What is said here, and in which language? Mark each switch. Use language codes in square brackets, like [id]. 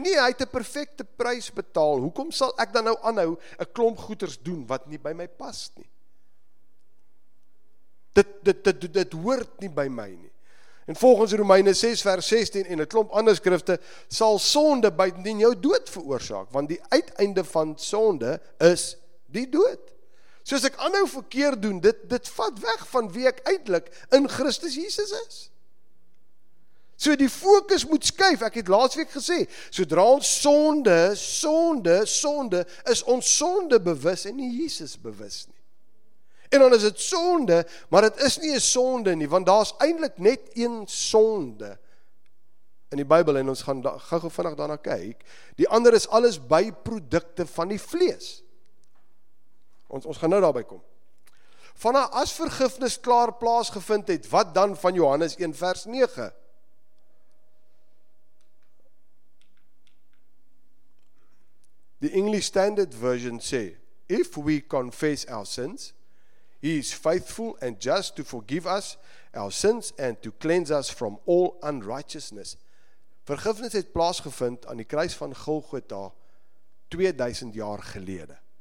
[af] Nee, hy het 'n perfekte prys betaal. Hoekom sal ek dan nou aanhou 'n klomp goeders doen wat nie by my pas nie? Dit hoort nie by my nie. En volgens Romeine 6 vers 16 en 'n klomp ander skrifte, sal sonde buitendien jou dood veroorsaak, want die uiteinde van sonde is die dood. So as ek aanhou verkeer doen, dit vat weg van wie ek uitlik in Christus Jesus is. So die fokus moet skuif, ek het laasweek gesê, sodra ons sonde, is ons sonde bewus en nie Jesus bewus nie. En dan is dit sonde, maar dit is nie 'n sonde nie, want daar is eintlik net een sonde in die Bybel, en ons gaan gou vinnig daarna kyk. Die ander is alles byprodukte van die vlees. Ons gaan nou daarby kom. Vanna, as vergifnis klaar plaasgevind het, wat dan van Johannes 1 vers 9? [en] The English Standard Version [af] sê, [en] if we confess our sins, he is faithful and just to forgive us our sins and to cleanse us from all unrighteousness. [af] Vergifnis het plaasgevind aan die kruis van Golgotha 2000 jaar gelede.